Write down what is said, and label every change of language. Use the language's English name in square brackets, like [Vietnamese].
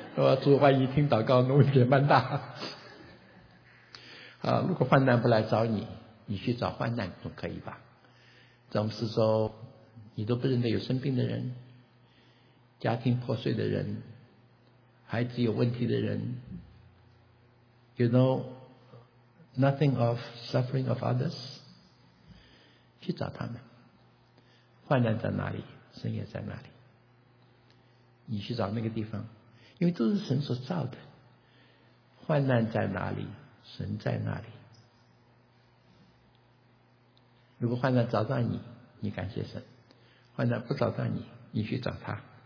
[Chinese] 说主，万一听祷告，那我也蛮大。啊，如果患难不来找你，你去找患难总可以吧？詹姆斯说，你都不认得有生病的人，家庭破碎的人，孩子有问题的人。 [English] You know nothing of suffering of others? [Chinese] 去找他们。患难在哪里，神也在哪里。你去找那个地方，因为都是神所造的。患难在哪里，神在哪里。如果患难找到你，你感谢神。患难不找到你，你去找他。